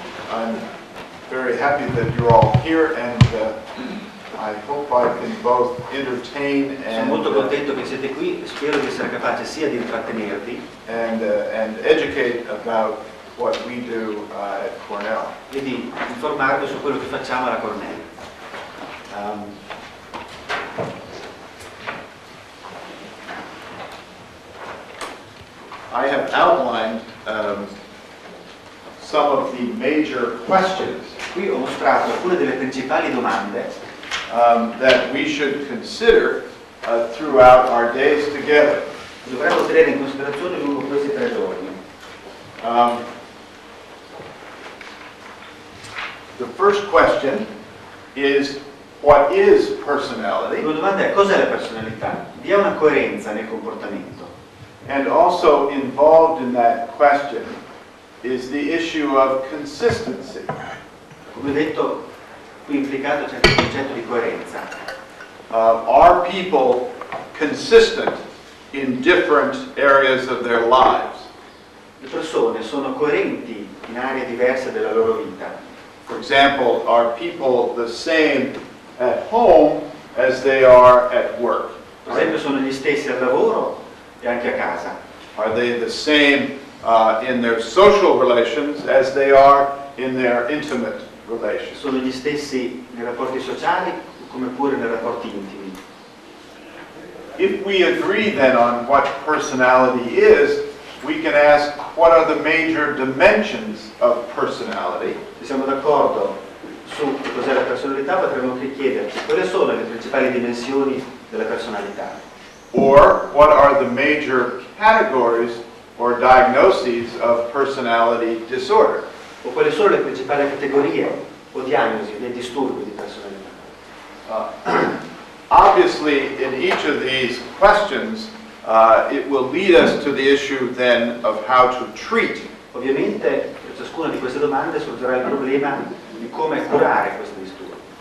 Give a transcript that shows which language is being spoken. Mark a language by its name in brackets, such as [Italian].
[English] I'm very happy that you're all here, and I hope I can both entertain and. [Italian] Sono molto contento che siete qui. Spero di essere capace sia di intrattenervi. [English] And educate about what we do at Cornell. [Italian] E di informarvi su quello che facciamo alla Cornell. [English] I have outlined some of the major questions. [Italian] Qui ho mostrato alcune delle principali domande [English] that we should consider throughout our days together. [Italian] Dovremmo tenere in considerazione lungo questi 3 giorni. [English] The first question is, what is personality? [Italian] La domanda è, cos'è la personalità? Vi è una coerenza nel comportamento? [English] And also involved in that question is the issue of consistency. [Italian] Come detto, qui implicato c'è il concetto di coerenza. [English] Are people consistent in different areas of their lives? [Italian] Le persone sono coerenti in aree diverse della loro vita. [English] For example, are people the same at home as they are at work? [Italian] Per esempio, sono gli stessi al lavoro e anche a casa. [English] Are they the same in their social relations as they are in their intimate relations? [Italian] Sono gli stessi nei rapporti sociali come pure nei rapporti intimi. [English] If we agree then on what personality is, we can ask, what are the major dimensions of personality? [Italian] Se siamo d'accordo su cos'è la personalità, potremmo anche chiederci quali sono le principali dimensioni della personalità. [English] Or, what are the major categories or diagnoses of personality disorder? [Italian] O quali sono le principali categorie o diagnosi dei disturbi di personalità? [English] Obviously, in each of these questions, it will lead us to the issue then of how to treat. [Italian] Ovviamente, per ciascuna di queste domande sorgerà il problema di come curare questo disturbo.